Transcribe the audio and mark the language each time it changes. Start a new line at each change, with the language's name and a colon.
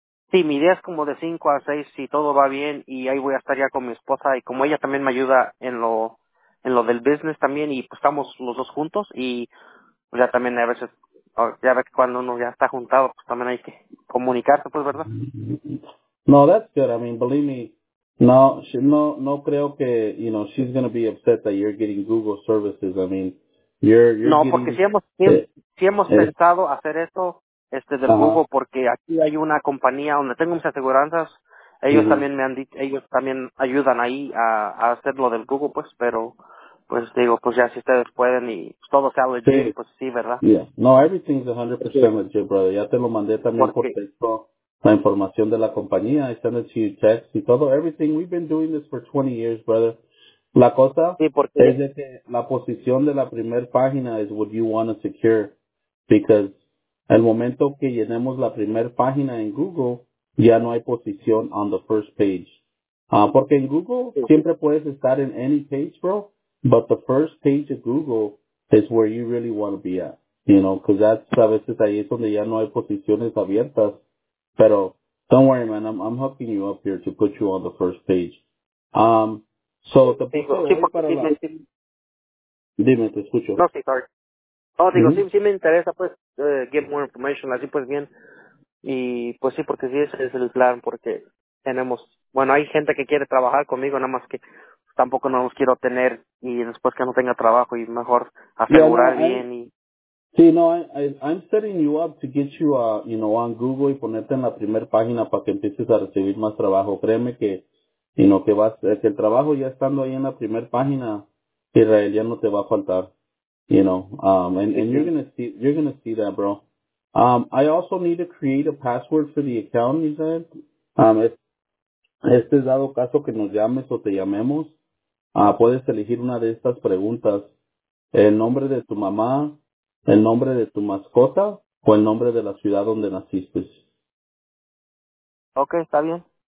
Spanish: Sí, mi idea es como de 5 a 6, si todo va bien y ahí voy a estar ya con mi esposa y como ella también me ayuda en lo del business también, y pues estamos los dos juntos, y pues ya también a veces, ya ve que cuando uno ya está juntado, pues también hay que comunicarse, pues, ¿verdad?
English: No, that's good. I mean, believe me,
Spanish: no creo que,
English: you know, she's going to be upset that you're getting Google services. I mean, you're
Spanish: no,
English: getting...
Spanish: porque si hemos pensado hacer esto, este, del Google, porque aquí hay una compañía donde tengo mis aseguranzas. Ellos también me han dicho, ellos también ayudan ahí a hacer lo del Google, pues, pero, pues, digo, pues ya si ustedes pueden y todo sea legit, sí. Pues sí, ¿verdad?
English: Yeah. No, everything's 100% legit, brother.
Spanish: Ya te lo mandé también por texto, la información de la compañía, están en su text y todo, everything.
English: We've been doing this for 20 years, brother.
Spanish: La cosa es de que la posición de la primer página
English: is what you want to secure, because
Spanish: el momento que llenemos la primer página en Google, ya no hay posición
English: on the first page.
Spanish: Porque en Google siempre puedes estar en
English: any page, bro. But the first page of Google is where you really want to be at. You know, because that's
Spanish: a veces ahí es donde ya no hay posiciones abiertas.
English: Pero don't worry, man. I'm helping you up here to put you on the first page.
Spanish: So the dime, te escucho. No, sí, sorry. Oh, digo, sí me interesa, pues,
English: get more information.
Spanish: Así pues bien. Y pues sí, porque sí, ese es el plan, porque tenemos, bueno, hay gente que quiere trabajar conmigo, nada más que tampoco no los quiero tener y después que no tenga trabajo y mejor asegurar bien.
English: I'm setting you up to get you, you know, on Google
Spanish: y ponerte en la primer página para que empieces a recibir más trabajo. Créeme que,
English: you know,
Spanish: que vas, que el trabajo ya estando ahí en la primer página, Israel, ya no te va a faltar,
English: you know, you're gonna see that, bro. I also need to create a password for the account, you said.
Spanish: Este es dado caso que nos llames o te llamemos. Puedes elegir una de estas preguntas. El nombre de tu mamá, el nombre de tu mascota, o el nombre de la ciudad donde naciste. Okay, está bien.